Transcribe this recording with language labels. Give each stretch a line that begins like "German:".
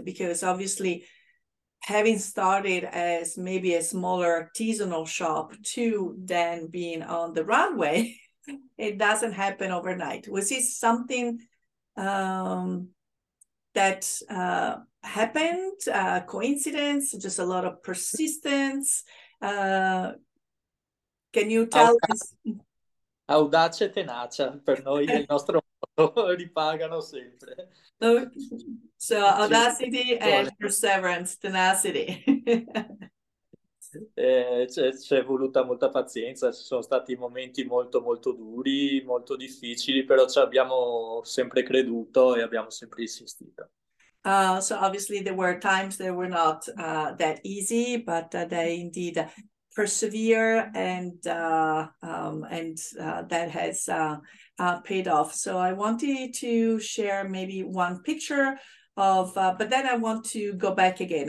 English: Because obviously, having started as maybe a smaller artisanal shop to then being on the runway, it doesn't happen overnight. Was this something that happened, coincidence, just a lot of persistence? Can you tell us?
Italian: Audacia e tenacia, per noi il nostro motto, ripagano sempre.
English: So audacity and perseverance, tenacity.
Italian: C'è voluta molta pazienza, ci sono stati momenti molto molto duri, molto difficili, però ci abbiamo sempre creduto e abbiamo sempre insistito.
English: So obviously there were times that were not that easy, but they indeed persevere and that has paid off. So I wanted to share maybe one picture of, but then I want to go back again.